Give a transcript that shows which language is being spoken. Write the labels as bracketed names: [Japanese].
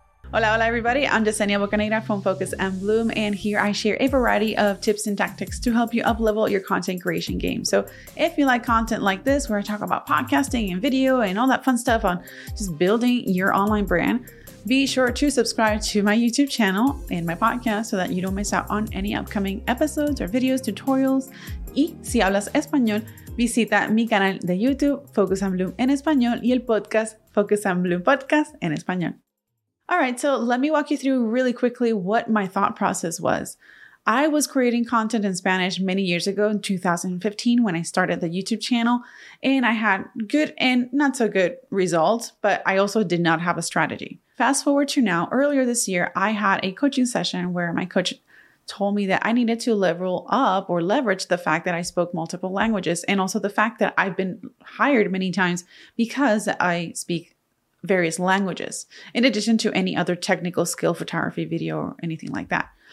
[Spanish] Hola, hola, [English] everybody. I'm Desenia Bocanegra from Focus and Bloom, and here I share a variety of tips and tactics to help you up-level your content creation game. So if you like content like this, where I talk about podcasting and video and all that fun stuff on just building your online brand, be sure to subscribe to my YouTube channel and my podcast so that you don't miss out on any upcoming episodes or videos, tutorials. [Spanish] Y si hablas español, visita mi canal de YouTube, Focus and Bloom en Español, y el podcast, Focus and Bloom Podcast en Español. [English] All right, so let me walk you through really quickly what my thought process was. I was creating content in Spanish many years ago in 2015 when I started the YouTube channel, and I had good and not so good results, but I also did not have a strategy. Fast forward to now, earlier this year, I had a coaching session where my coach told me that I needed to leverage the fact that I spoke multiple languages and also the fact that I've been hired many times because I speak various languages, in addition to any other technical skill, photography, video, or anything like that.